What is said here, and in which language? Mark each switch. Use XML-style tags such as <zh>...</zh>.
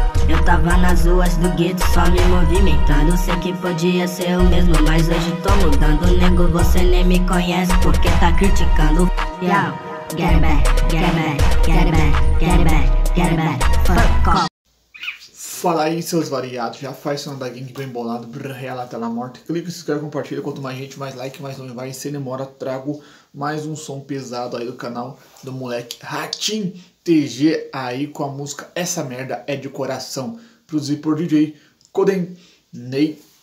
<pt>Eu tava nas ruas do gueto, só me movimentando. Sei que podia ser o mesmo, mas hoje tô mudando. Nego, você nem me conhece, porque tá criticando.</pt> <en>Yo, get it back, get it back, get it back, get it back, get it back, fuck off.</en> <pt>Fala aí, seus variados, já faz o nome da gangue do embolado, brrrela até ela morta. Clica, se inscreve, compartilha, quanto mais gente, mais like, mais nome vai. E sem demora, trago mais um som pesado aí do canal do moleque Ratim TG aí com a música Essa Merda É De Coração, produzido por DJ Codenei.</pt>